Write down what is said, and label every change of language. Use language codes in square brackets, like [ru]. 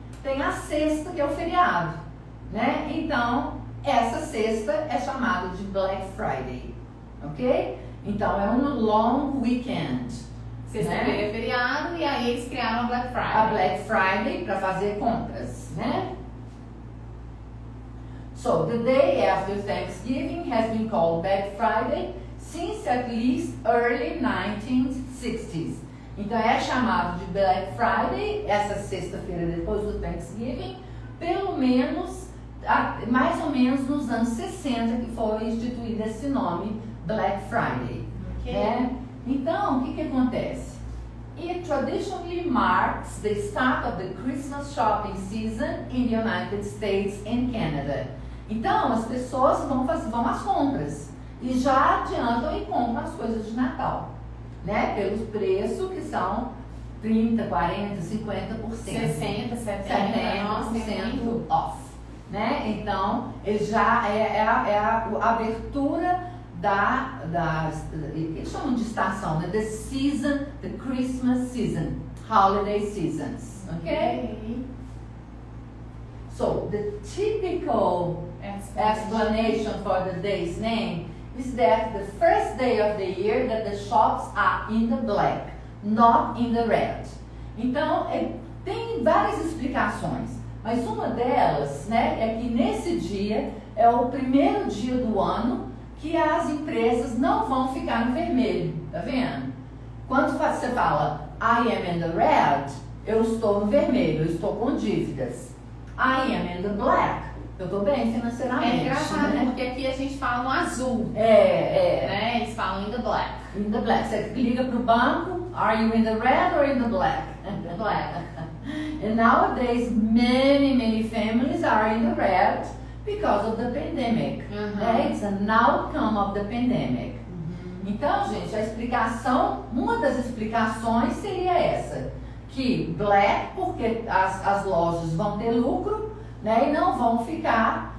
[pt] Tem a sexta, que é o feriado, né? Então, essa sexta é chamada de Black Friday. Ok? Então, é um long weekend. Sexta-feira, né? É feriado, e aí eles criaram a Black Friday. A Black Friday para fazer compras, né? [en] So, the day after Thanksgiving has been called Black Friday since at least early 1960s. [pt] Então, é chamado de Black Friday, essa sexta-feira depois do Thanksgiving, pelo menos, mais ou menos nos anos 60 que foi instituído esse nome, Black Friday. Okay. Né? Então, o que que acontece? [en] It traditionally marks the start of the Christmas shopping season in the United States and Canada. [pt] Então, as pessoas vão às compras e já adiantam e compram as coisas de Natal, né? Pelo preço que são 30, 40, 50%. 60%, 70% off. Né? Então, já é a abertura da eles chamam de estação, né? [en] The season, the Christmas season, holiday seasons, okay? So, the typical explanation for the day's name is that the first day of the year that the shops are in the black, not in the red. [pt] Então, tem várias explicações, mas uma delas, né, é que nesse dia é o primeiro dia do ano que as empresas não vão ficar no vermelho, tá vendo? Quando você fala, [en] I am in the red, [pt] eu estou no vermelho, eu estou com dívidas. [en] I am in the black, [pt] eu estou bem financeiramente. É engraçado, né? Porque aqui a gente fala no azul. É, é. Né? Eles falam [en] in the black. In the black. [pt] Você liga para o banco, [en] are you in the red or in the black? In the black. And nowadays, many, many families are in the red because of the pandemic, uh-huh. Right? It's an outcome of the pandemic. Uh-huh. [pt] Então, gente, a explicação, uma das explicações seria essa, que black, porque as lojas vão ter lucro, né, e não vão ficar